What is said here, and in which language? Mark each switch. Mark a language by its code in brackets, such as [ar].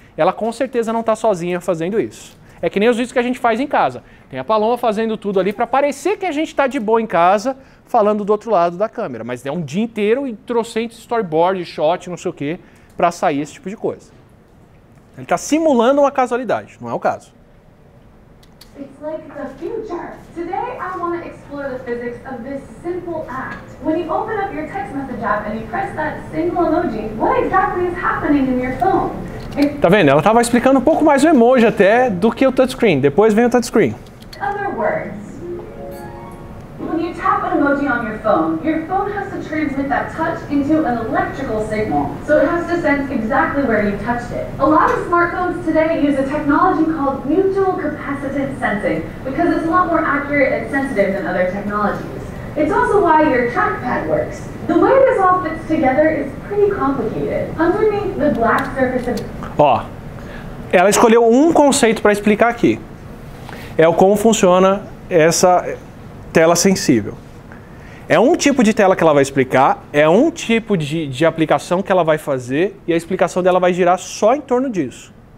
[pt] Ela com certeza não está sozinha fazendo isso. É que nem os vídeos que a gente faz em casa. Tem a Paloma fazendo tudo ali para parecer que a gente está de boa em casa, falando do outro lado da câmera. Mas é um dia inteiro e trocentos storyboard, shot, não sei o quê, para sair esse tipo de coisa. Ele está simulando uma casualidade, não é o caso. [en] It's like the future. Today I want to explore the physics of this simple act. When you open up your text message app and you press that single emoji, what exactly is happening in your phone? [pt] Tá vendo? Ela tava explicando um pouco mais o emoji até do que o touchscreen. Depois vem o touchscreen. [en] Other words. When you tap an emoji on your phone has to transmit that touch into an electrical signal. So it has to sense exactly where you touched it. A lot of smartphones today use a technology called mutual capacitance sensing because it's a lot more accurate and sensitive than other technologies. It's also why your trackpad works. The way this all fits together is pretty complicated. Underneath the black surface of... [pt] Ó, ela escolheu um conceito para explicar aqui. É o como funciona essa tela sensível. É um tipo de tela que ela vai explicar, é um tipo de aplicação que ela vai fazer, e a explicação dela vai girar só em torno disso.